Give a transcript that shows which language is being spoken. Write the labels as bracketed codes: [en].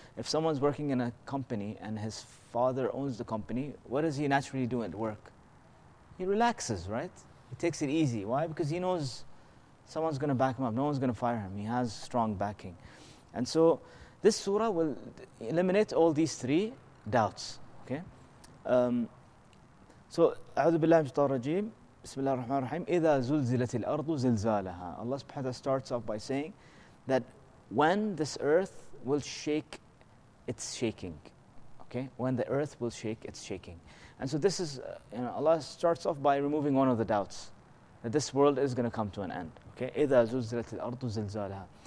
[en] If someone's working in a company and his father owns the company, what does he naturally do at work? He relaxes, right? He takes it easy. Why? Because he knows someone's going to back him up. No one's going to fire him. He has strong backing. And so this surah will eliminate all these three doubts. Okay? [ar] So, أعوذ بالله من الشيطان الرجيم. بسم الله الرحمن الرحيم إذا زلزلت الأرض زلزالها. [en] Allah subhanahu wa ta'ala starts off by saying that when this earth will shake, it's shaking. Okay, when the earth will shake, it's shaking. And so this is, Allah starts off by removing one of the doubts that this world is going to come to an end. [ar] Okay, إذا زلزلت الأرض زلزالها.